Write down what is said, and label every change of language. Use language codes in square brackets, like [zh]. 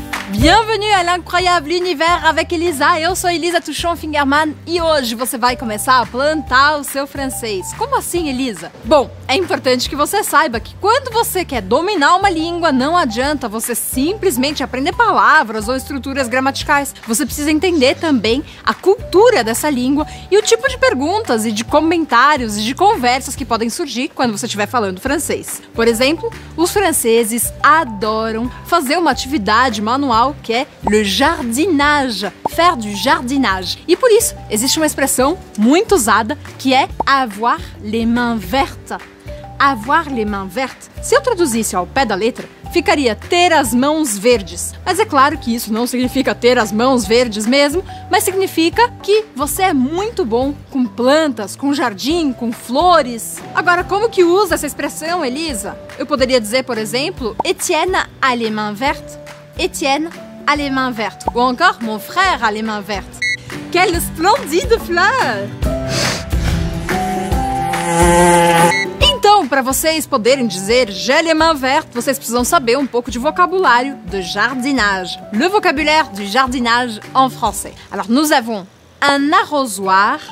[fr] Bienvenue à l'incroyable univers avec Elisa. [pt] Eu sou Elisa Tuchon-Fingerman e hoje você vai começar a plantar o seu francês. Como assim, Elisa? Bom, é importante que você saiba que quando você quer dominar uma língua, não adianta você simplesmente aprender palavras ou estruturas gramaticais. Você precisa entender também a cultura dessa língua e o tipo de perguntas e de comentários e de conversas que podem surgir quando você estiver falando francês. Por exemplo, os franceses adoram fazer uma atividade manual que é [fr] le jardinage, faire du jardinage. [pt] E por isso, existe uma expressão muito usada que é [fr] avoir les mains vertes. Avoir les mains vertes, [pt] se eu traduzisse ao pé da letra, ficaria ter as mãos verdes. Mas é claro que isso não significa ter as mãos verdes mesmo, mas significa que você é muito bom com plantas, com jardim, com flores. Agora, como que usa essa expressão, Elisa? Eu poderia dizer, por exemplo, [fr] Etienne a les mains vertes. Etienne a les mains vertes. Ou encore, mon frère a les mains vertes. Quelle splendide fleur! [pt] Então, para vocês poderem dizer [fr] j'ai les mains vertes, [pt] vocês precisam saber um pouco de vocabulário de jardinage. [fr] Le vocabulaire du jardinage en français. Alors, nous avons un arrosoir.